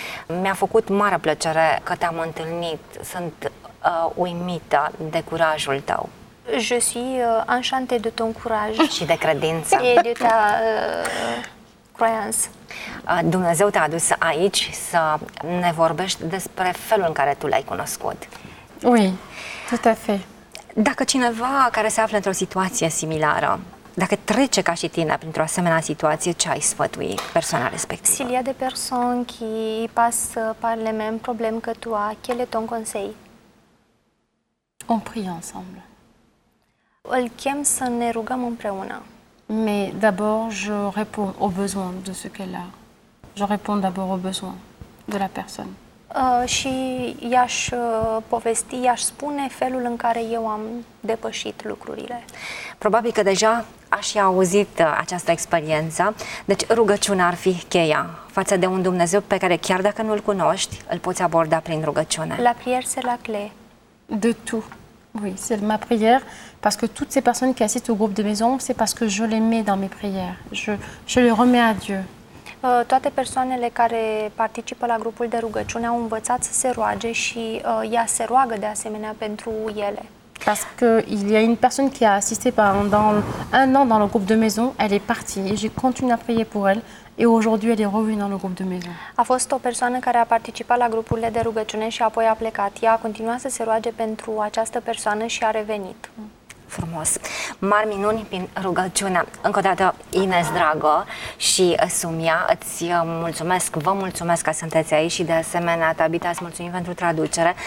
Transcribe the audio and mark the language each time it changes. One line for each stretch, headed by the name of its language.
Romanian: Mi-a făcut mare plăcere că te-am întâlnit. Sunt uimită de curajul tău.
French: Je suis enchantée de ton courage.
Romanian: Și de credință.
French: Et de ta croyance.
Romanian: Dumnezeu te-a adus aici să ne vorbești despre felul în care tu l-ai cunoscut.
French: Oui, tout à fait.
Romanian: Dacă cineva care se află într-o situație similară, dacă trece ca și tine printr-o asemenea situație, ce ai sfătui persoana respectivă?
French: S'il y a des personnes qui passent par les mêmes problèmes que toi, quel est ton conseil? On prie ensemble.
Romanian: Îl chem să ne rugăm împreună.
French: Mais d'abord, je réponds aux besoins de ce qu'elle a. Je réponds d'abord aux besoins de la personne.
Romanian: Și i-aș povesti, i-aș spune felul în care eu am depășit lucrurile. Probabil că deja aș fi auzit această experiență. Deci rugăciunea ar fi cheia față de un Dumnezeu pe care chiar dacă nu-l cunoști, îl poți aborda prin rugăciune.
French: La prière, c'est la clé. De tout. Oui, c'est ma prière. Parce que toutes ces personnes qui assistent au groupe de maison, c'est parce que je les mets dans mes prières. Je les remets à Dieu.
Romanian: Toate persoanele care participă la grupul de rugăciune au învățat să se roage și ea se roagă de asemenea pentru ele.
French: Parce que il y a une personne qui a assisté pendant un an dans le groupe de maison, elle est partie et j'ai continué à prier pour elle et aujourd'hui elle est revenue dans le groupe de maison.
Romanian: A fost o persoană care a participat la grupul de rugăciune și apoi a plecat. Ea a continuat să se roage pentru această persoană și a revenit. Frumos. Mari minuni prin rugăciune. Încă o dată, Ines Dragă și Sumia, îți mulțumesc, vă mulțumesc că sunteți aici și de asemenea, Tabita, îți mulțumim pentru traducere.